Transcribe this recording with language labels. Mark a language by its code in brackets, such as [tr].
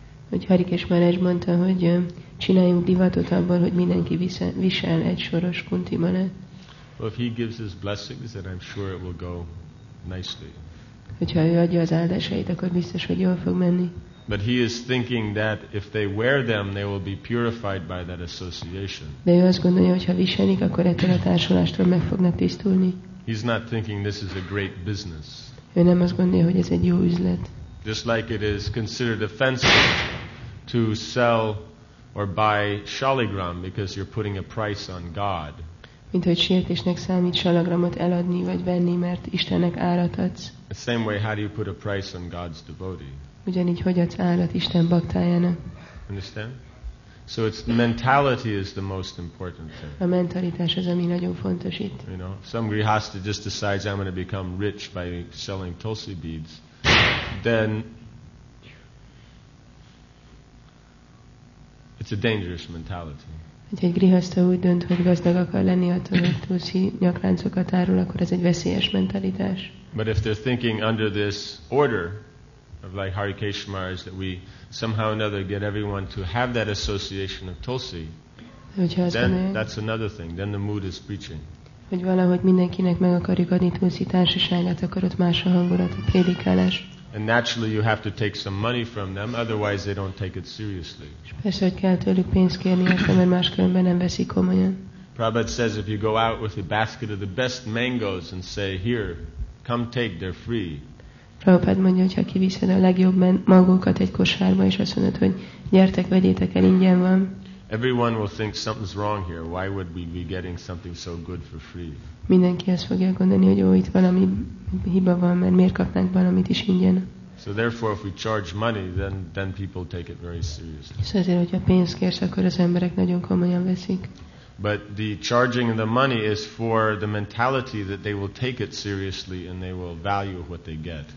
[hu] Hogy Hare Krishna mondta, hogy csináljunk divatot abban, hogy mindenki visel egy soros kunti manát. [en] Well, if he gives his blessings, then I'm sure it will go nicely. [hu] Hogyha ő adja az áldásait, akkor biztos, hogy jól fog menni. [en] But he is thinking that if they wear them, they will be purified by that association. [hu] De ő azt gondolja, hogy ha viselik, akkor ettől a társulástól meg fognak tisztulni. [en] He's not thinking this is a great business. [hu] Ő nem azt gondolja, hogy ez egy jó üzlet. [en] Just like it is considered offensive to sell or buy shaligram because you're putting a price on God. [hu] Mint hogy sértésnek számít shaligramot eladni vagy venni, mert Istennek árat adsz. [en] The same way, how do you put a price on God's devotee? [hu] Ugyanígy, hogy adsz árat Isten baktájának. [en] Understand? So it's mentality is the most important thing. [hu] A mentalitás az, ami nagyon fontos itt. [en] You know, some grihasta just decides I'm going to become rich by selling tulsi beads. Then it's a dangerous mentality. [hu] Hogy egy grihasta úgy dönt, hogy gazdag akar lenni attól, hogy tulsi nyakláncokat árul, akkor ez egy veszélyes mentalitás. [en] But if they're thinking under this order of like Hare Krishna is that we somehow or another get everyone to have that association of tulsi, then that's another thing. Then the mood is preaching. [hu] Hogy valahogy mindenkinek meg akarjuk adni tulsi társaságát, akkor ott más a hangulat, a prédikálás. [en] And naturally you have to take some money from them, otherwise they don't take it seriously. [hu] Persze, hogy kell tőlük pénzt kérni, mert máskülönben nem veszik komolyan. [en] Prabhupada says if you go out with a basket of the best mangoes and say, here, come take, they're free. [hu] Prabhupada mondja, hogy ha kiviszed a legjobb magókat egy kosárba, és azt mondod, hogy gyertek, vegyétek el, ingyen van. [en] Everyone will think something's wrong here. Why would we be getting something so good for free? [hu] Mindenki azt fogja gondolni, hogy itt valami hiba van, mert miért kapnánk valamit is ingyen. [en] So therefore, if we charge money, then people take it very seriously. [hu] Szóval azért, hogyha pénzt kérsz, akkor az emberek nagyon komolyan veszik. [en] But the charging of the money is for the mentality that they will take it seriously and they will value what they get.